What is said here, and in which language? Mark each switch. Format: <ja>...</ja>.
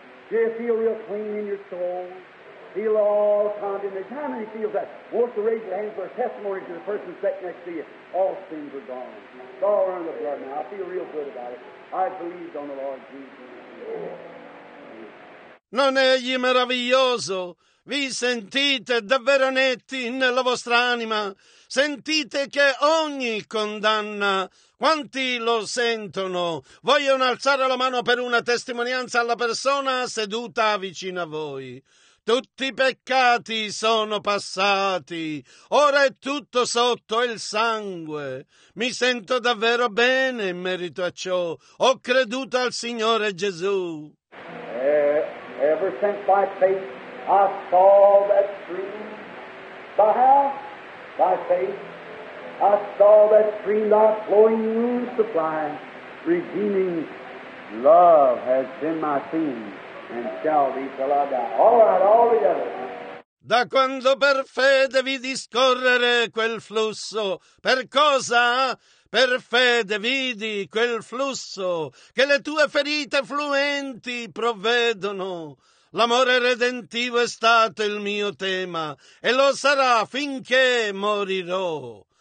<en>Do you feel real clean in your soul? Feel all condemnation? How many feel that? Won't you raise your hand for a testimony to the person sitting next to you? All sins are gone. It's all under the blood now. I feel real good about it. I believed on the Lord Jesus.</en> <it>Non egli meraviglioso? Vi sentite davvero netti nella vostra anima? Sentite che ogni condanna, quanti lo sentono, vogliono alzare la mano per una testimonianza alla persona seduta vicino a voi. Tutti i peccati sono passati, ora è tutto sotto il sangue. Mi sento davvero bene in merito a ciò. Ho creduto al Signore Gesù.</it> <en>Ever since by faith I saw that stream. By how? By faith. I saw that stream, thy flowing womb supplying. Redeeming love has been my theme and shall be till I die. All right, all together.</en> <it>Da quando per fede vidi scorrere quel flusso, per cosa? Per fede vidi quel flusso che le tue ferite fluenti provvedono. L'amore redentivo è stato il mio tema e lo sarà finché morirò.</it>